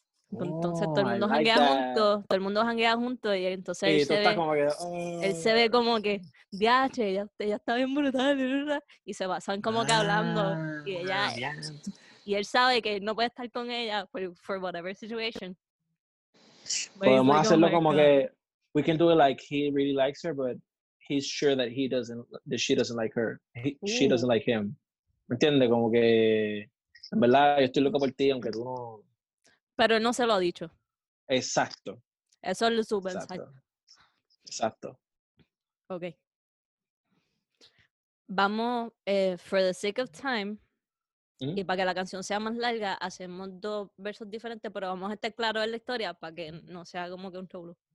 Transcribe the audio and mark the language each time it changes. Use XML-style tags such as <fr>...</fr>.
<es>Entonces todo el mundo janguea like junto, todo el mundo janguea junto y entonces y él, se ve, como que, él se ve como que, diache, ella está bien brutal, y se pasan como que hablando y ella, y él sabe que no puede estar con ella for whatever situation.</es> <en>Podemos hacerlo like, como que, we can do it like he really likes her, but he's sure that she doesn't like her, she doesn't like him.</en> <es>¿Me entiendes? Como que, en verdad, yo estoy loco por ti, aunque tú no... Pero no se lo ha dicho. Exacto. Eso es su mensaje. Exacto. Ok. Vamos, for the sake of time, y para que la canción sea más larga, hacemos dos versos diferentes, pero vamos a estar claros en la historia para que no sea como que un trouble.</es>